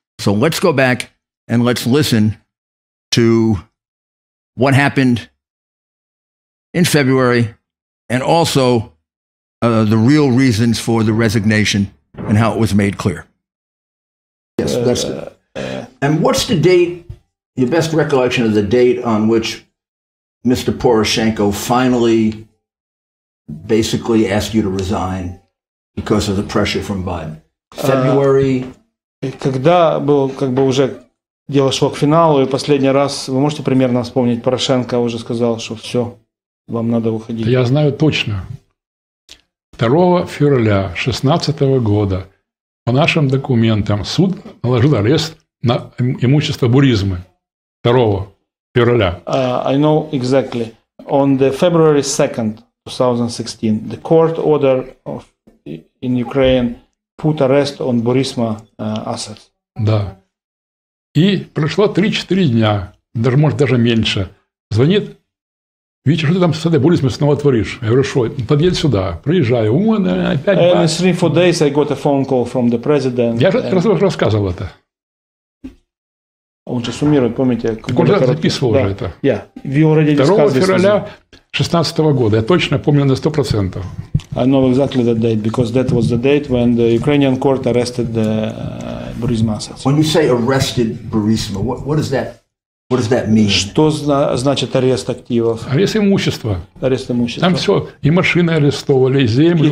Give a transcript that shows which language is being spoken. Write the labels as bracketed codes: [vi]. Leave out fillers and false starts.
[en] So let's go back and let's listen to what happened in February, and also the real reasons for the resignation and how it was made clear. Yes, that's it. And what's the date, your best recollection of the date on which Mr. Poroshenko finally basically asked you to resign because of the pressure from Biden? February? [ru] Когда был, как бы уже дело шло к финалу, и последний раз, вы можете примерно вспомнить, Порошенко уже сказал, что все. Вам надо уходить. Я знаю точно. 2 февраля 2016 года по нашим документам суд наложил арест на имущество Буризмы. 2 февраля. [en] I know exactly. On the February 2nd, 2016, the court order of, in Ukraine put arrest on Burisma assets. [ru] Да. И прошло 3-4 дня, даже может даже меньше. Звонит Витя, что ты там с этой Бурисмой снова творишь? Я говорю, что? Подъедь сюда, приезжай. Вон, опять [en] And back. Three, four days I got a phone call from the president. [ru] Я же рассказывал это. Он же суммирует, помните? Так он же записывал уже это. [en] Yeah. You already [ru] 2 февраля 2016 года. Я точно помню на 100%. [en] I know exactly that date, because that was the date when the Ukrainian court arrested the Burisma assets. When you say arrested Burisma, what is that? What does that mean? [ru] Что значит арест активов? Арест имущества. Арест имущества. Там все, и машины арестовали, и землю.